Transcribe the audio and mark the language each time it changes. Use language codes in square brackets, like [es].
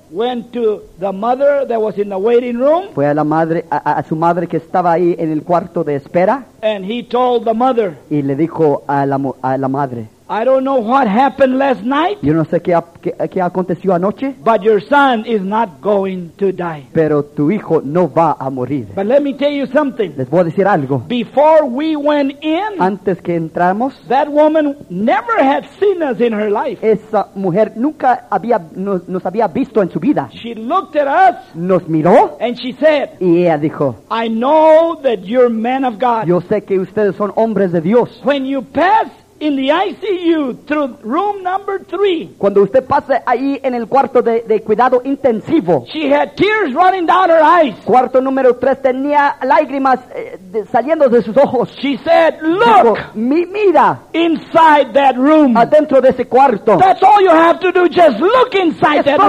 [en] Went to the mother that was in the waiting room. [es] Fue a la madre, a su madre que estaba ahí en el cuarto de espera. [en] And he told the mother. [es] Y le dijo a la madre. [en] I don't know what happened last night. [es] Yo no sé qué aconteció anoche. [en] But your son is not going to die. [es] Pero tu hijo no va a morir. [en] But let me tell you something. [es] Les voy a decir algo. [en] Before we went in, [es] antes que entramos, [en] that woman never had seen us in her life. [es] Esa mujer nunca nos había visto en su vida. [en] She looked at us. [es] Nos miró. [en] And she said, [es] y ella dijo, [en] I know that you're men of God. [es] Yo sé que ustedes son hombres de Dios. [en] When you pass in the ICU through room number 3. [es] Cuando usted pase ahí en el cuarto de cuidado intensivo. [en] She had tears running down her eyes. [es] Cuarto número 3 tenía lágrimas saliendo de sus ojos. [en] She said, look. [es] Dijo, mira. [en] Inside that room. [es] Adentro de ese cuarto. [en] That's all you have to do. Just look inside that room.